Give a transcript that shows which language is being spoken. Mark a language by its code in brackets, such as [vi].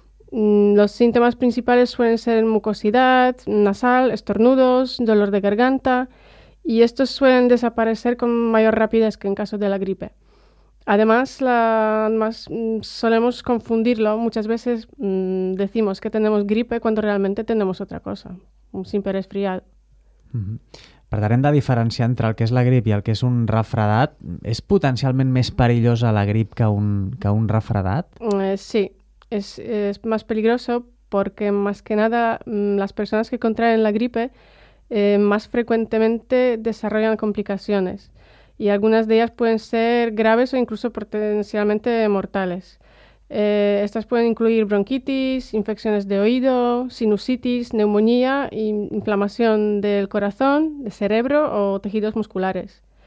[es] Los síntomas principales suelen ser mucosidad nasal, estornudos, dolor de garganta, y estos suelen desaparecer con mayor rapidez que en caso de la gripe. Además, solemos confundirlo. Muchas veces decimos que tenemos gripe cuando realmente tenemos otra cosa, un simple resfriado. Mm-hmm. [ca] Per tant, hem de diferenciar entre el que és la grip i el que és un refredat. És potencialment més perillosa la grip que un refredat? [es] Sí, es más peligroso porque más que nada las personas que contraen la gripe más frecuentemente desarrollan complicaciones. Y algunas de ellas pueden ser graves o incluso potencialmente mortales. Estas pueden incluir bronquitis, infecciones de oído, sinusitis, neumonía, inflamación del corazón, de cerebro o tejidos musculares.